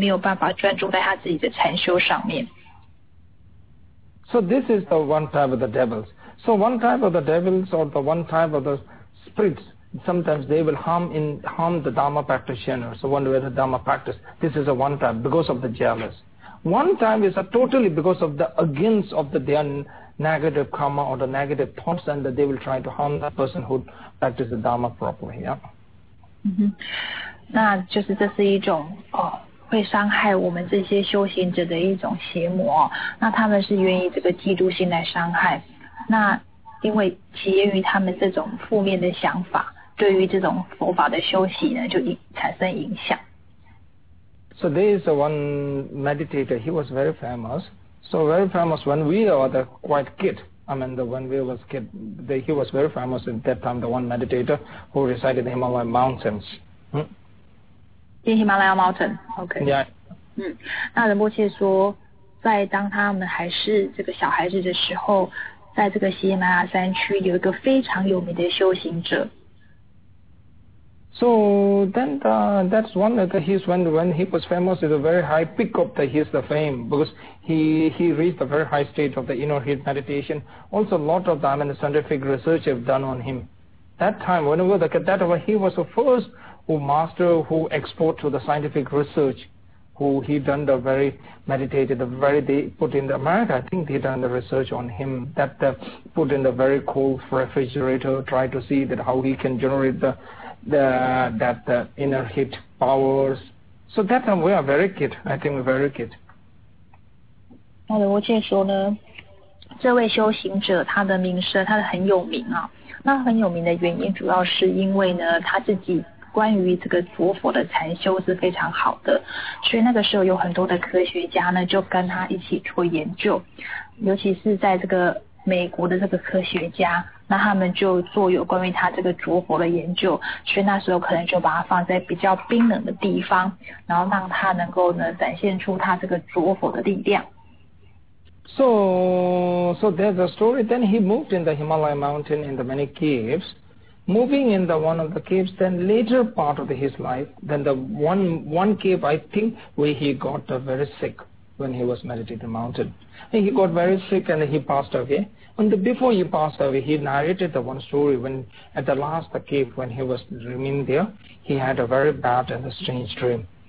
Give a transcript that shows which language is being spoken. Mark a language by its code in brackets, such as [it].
[zh] Mm-hmm. 那其实在西藏呢，就是有一个大师。那有一次呢，就是有这个非人呢来伤害他。那这个非人呢，他就是呢送给这个大师一个金笔。那这个大师呢很喜欢这支金笔，就用这支金笔写了很多的书。那所以他就没有办法专注在他自己的禅修上面。 [en] So this is the one type of the devils. So one type of the devils or the one type of the spirits, sometimes they will harm the Dharma practitioner. So one way the Dharma practice, this is a one type because of the jealous. One time is totally because of the against of their negative karma or the negative thoughts and that they will try to harm that person who practices the Dharma properly. Yeah. [zh] Mm-hmm. 那就是这是一种, oh. 会伤害我们这些修行者的一种邪魔，那他们是愿意这个嫉妒心来伤害，那因为起源于他们这种负面的想法。对于这种佛法的修习呢，就产生影响。 [en] So there is one meditator, he was very famous. So very famous when we were quite kid. I mean, when we were kid, he was very famous at that time, the one meditator who recited the Himalaya Mountains. The Himalaya Mountain, okay. Yeah. [zh] 那仁波切说，在当他们还是这个小孩子的时候，在这个喜马拉雅山区有一个非常有名的修行者。 [en] So then that's one of the his when he was famous is a very high peak of the his the fame because he reached a very high state of the inner heat meditation. Also a lot of the scientific research have done on him. That time whenever the that was he was the first who master who export to the scientific research who he done the very meditated the very they put in the America. I think they done the research on him that put in the very cool refrigerator try to see that how he can generate the inner heat powers. So that time we are very kid. I think we're very kid. [zh] 那仁波切说呢，这位修行者他的名声，他很有名啊。那很有名的原因，主要是因为呢，他自己关于这个佛佛的禅修是非常好的，所以那个时候有很多的科学家呢，就跟他一起做研究，尤其是在这个美国的这个科学家。那他们就做有关于他这个着火的研究，所以那时候可能就把它放在比较冰冷的地方，然后让他能够呢展现出他这个着火的力量。 [en] So there's a story. Then he moved in the Himalaya mountain in the many caves. Moving in the one of the caves, then later part of his life, then the one cave I think where he got very sick when he was meditating the mountain. And he got very sick and he passed away. And before he passed away, he narrated the one story when at the last cave when he was dreaming there, he had a very bad and a strange dream.